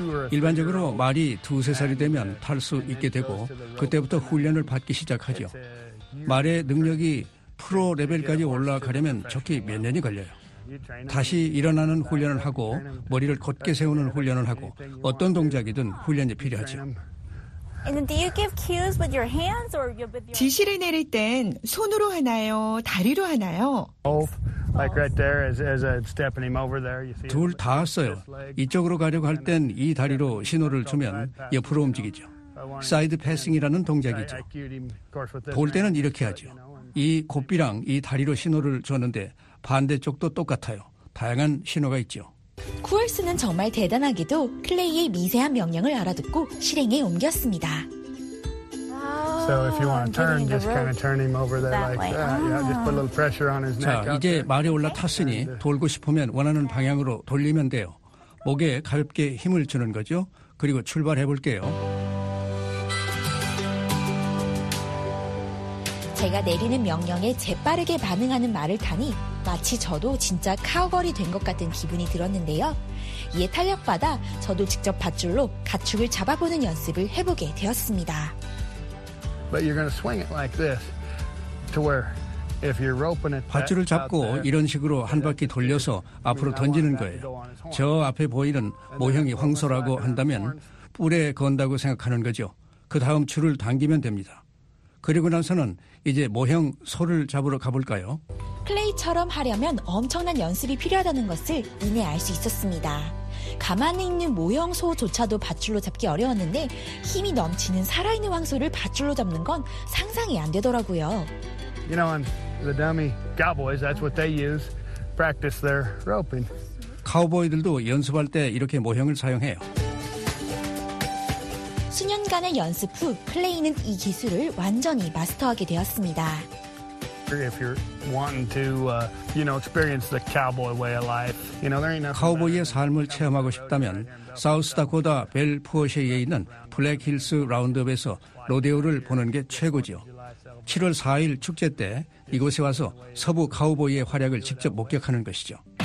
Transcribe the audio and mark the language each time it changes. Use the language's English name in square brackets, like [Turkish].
[Korean] 일반적으로 말이 두세 살이 되면 탈 수 있게 되고 그때부터 훈련을 받기 시작하죠. 말의 능력이 프로 레벨까지 올라가려면 적게 몇 년이 걸려요. 다시 일어나는 훈련을 하고 머리를 곧게 세우는 훈련을 하고 어떤 동작이든 훈련이 필요하죠. [English] And do you give cues with your hands or with your [Korean] 지시를 내릴 땐 손으로 하나요, 다리로 하나요? [English] Both, like right there, as I'm stepping him over there. [Korean] 둘 다 써요. 이쪽으로 가려고 할 땐 이 다리로 신호를 주면 옆으로 움직이죠. 사이드 패싱이라는 동작이죠. 볼 때는 이렇게 하죠. 이 고삐랑 이 다리로 신호를 줬는데 반대쪽도 똑같아요. 다양한 신호가 있죠. 쿠얼스는 정말 대단하게도 클레이의 미세한 명령을 알아듣고 실행에 옮겼습니다. [English] So if you want to turn, just kind of turn him over there like that. Yeah, just put a little pressure on his neck. [Korean] 자, 이제 말이 올라탔으니 돌고 싶으면 원하는 방향으로 돌리면 돼요. 목에 가볍게 힘을 주는 거죠. 그리고 출발해 볼게요. 제가 내리는 명령에 재빠르게 반응하는 말을 타니 마치 저도 진짜 카우걸이 된 것 같은 기분이 들었는데요. 이에 탄력받아 저도 직접 밧줄로 가축을 잡아보는 연습을 해보게 되었습니다. [English] But you're going to swing it like this to where if you're roping it. [Korean] 밧줄을 잡고 이런 식으로 한 바퀴 돌려서 앞으로 던지는 거예요. 저 앞에 보이는 모형이 황소라고 한다면 뿔에 건다고 생각하는 거죠. 그 다음 줄을 당기면 됩니다. 그리고 나서는 이제 모형 소를 잡으러 가볼까요? 클레이처럼 하려면 엄청난 연습이 필요하다는 것을 이내 알 수 있었습니다. 가만히 있는 모형 소조차도 밧줄로 잡기 어려웠는데 힘이 넘치는 살아있는 황소를 밧줄로 잡는 건 상상이 안 되더라고요. [English] You know, the dummy cowboys, that's what they use practice their roping. [Korean] 카우보이들도 연습할 때 이렇게 모형을 사용해요. 수년간의 연습 후 클레이는 이 기술을 완전히 마스터하게 되었습니다. [English] If you're wanting to, you know, experience the cowboy way of life, you know, there ain't nothing. [Korean] 카우보이의 삶을 체험하고 싶다면 사우스 다코다 벨푸어시에 있는 블랙힐스 라운드업에서 로데오를 보는 게 최고지요. 7월 4일 축제 때 이곳에 와서 서부 카우보이의 활약을 직접 목격하는 것이죠.